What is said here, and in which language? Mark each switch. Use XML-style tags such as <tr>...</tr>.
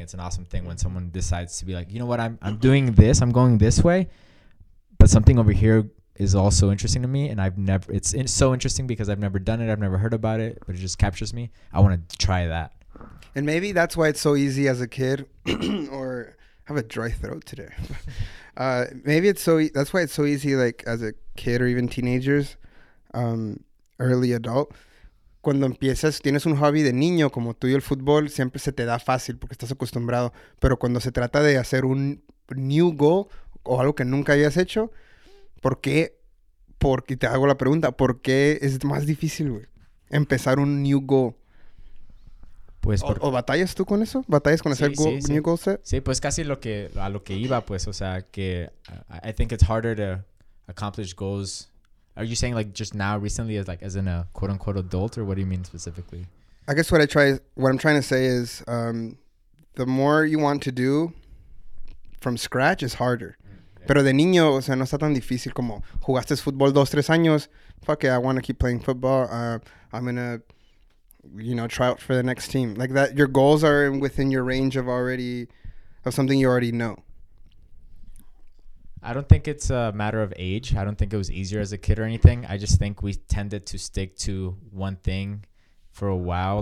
<en>It's an awesome thing when someone decides to be like, you know what, I'm doing this, I'm going this way, but something over here is also interesting to me, and it's so interesting because I've never done it, I've never heard about it, but it just captures me. I want to try that. And maybe that's why it's so easy as a kid, or I have a dry throat today. Maybe it's so, that's why it's so easy, like as a kid or even teenagers, early adult.</en> <es>Cuando empiezas, tienes un hobby de niño como tú y el fútbol, siempre se te da fácil porque estás acostumbrado. Pero cuando se trata de hacer un</es> <en>new goal</en> <es>o algo que nunca habías hecho, ¿por qué? Porque te hago la pregunta, ¿por qué es más difícil, güey, empezar un</es> <en>new goal?</en> <es>Pues ¿O batallas tú con eso? ¿Batallas con hacer</es> <en>new goal set?</en> <es>Sí, pues casi a lo que iba, pues. O sea, que</es> <en>I think it's harder to accomplish goals. Are you saying, like, just now, recently, as in a quote-unquote adult, or what do you mean specifically? I guess what I'm trying to say is the more you want to do from scratch is harder.</en> <es>Pero de niño, o sea, no está tan difícil como jugaste fútbol 2-3 años.</es> <en>Fuck it, I want to keep playing football. I'm going to, you know, try out for the next team. Like that, your goals are within your range of something you already know. I don't think it's a matter of age. I don't think it was easier as a kid or anything. I just think we tended to stick to one thing for a while.</en>